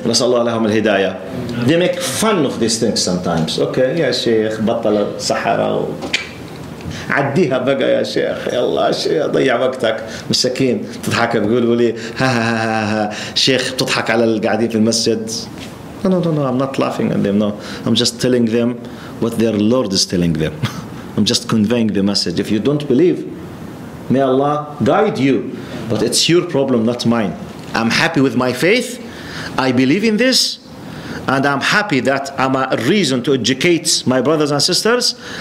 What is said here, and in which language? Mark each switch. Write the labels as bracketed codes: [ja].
[ar] Nasallahu alayhum al-hidayah. [en] They make fun of these things sometimes. [ar] Okay, ya Sheikh, batala sahara. عديها بقى يا شيخ يلا شيخ ضيع وقتك مساكين تضحك بيقولوا لي ها ها ها ها شيخ بتضحك على القاعدين في المسجد. [en] No, I'm not laughing at them. No, I'm just telling them what their Lord is telling them. I'm just conveying the message. If you don't believe, may Allah guide you. But it's your problem, not mine. I'm happy with my faith. I believe in this. And I'm happy that I'm a reason to educate my brothers and sisters.